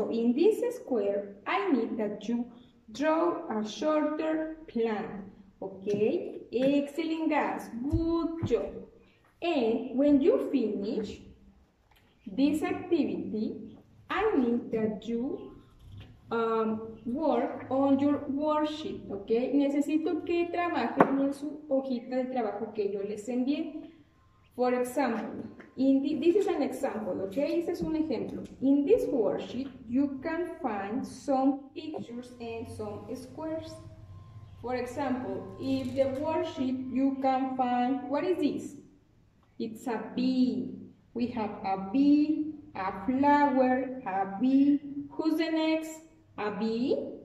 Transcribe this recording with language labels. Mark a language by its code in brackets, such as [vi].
[en] So in this square, I need that you draw a shorter plant. Okay? Excellent, guys. Good job. And when you finish this activity, I need that you work on your worksheet, ok? [es] Necesito que trabajen en su hojita de trabajo que yo les envié. [en] For example, this is an example, ok? [es] Este es un ejemplo. [en] In this worksheet, you can find some pictures and some squares. For example, if the worksheet, you can find, what is this? It's a bee. We have a bee, a flower, a bee. Who's the next? A bee?